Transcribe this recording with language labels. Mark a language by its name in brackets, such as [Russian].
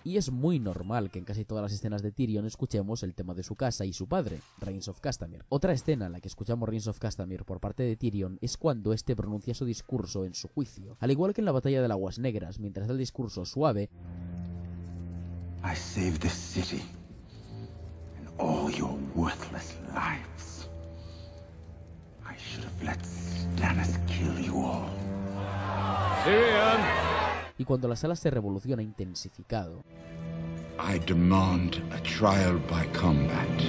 [Spanish] Y es muy normal que en casi todas las escenas de Tyrion escuchemos el tema de su casa y su padre, Reigns of Castamere. Otra escena en la que escuchamos Reigns of Castamere por parte de Tyrion es cuando este pronuncia su discurso en su juicio. Al igual que en la Batalla de las Aguas Negras, mientras da el discurso suave... [English] I saved the city. All your worthless lives. I should have let Stannis kill you all. Tyrion. [Spanish] Y cuando la sala se revoluciona intensificado. [English] I demand a trial by combat.